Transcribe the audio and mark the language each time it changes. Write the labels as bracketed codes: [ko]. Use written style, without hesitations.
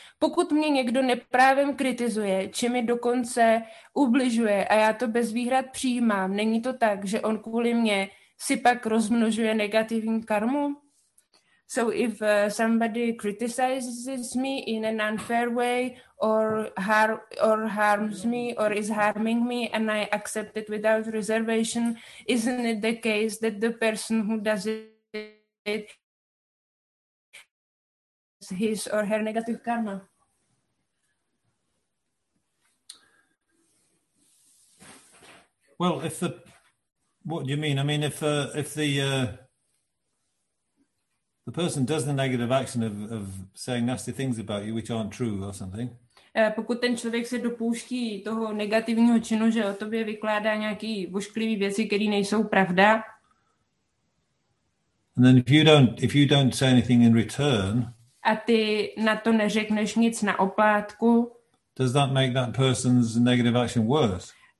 [cs] Pokud mě někdo neprávem kritizuje, či mi dokonce ubližuje a já to bez výhrad přijímám, není to tak, že on kvůli mě si pak rozmnožuje negativní karmu? [en] So if somebody criticizes me in an unfair way or harms me or is harming me and I accept it without reservation, isn't it the case that the person who does it his or her negative karma. Well, if the, what do you mean? I mean, if the person does the negative action of saying nasty things about you, which aren't true or something. [cs] Pokud ten člověk se dopouští toho negativního činu, že o tobě vykládá nějaký ošklivý věci, které nejsou pravda. [en] And then if you don't say anything in return. [cs] A ty na to neřekneš nic na oplátku. [en] Does that make that person's negative action worse?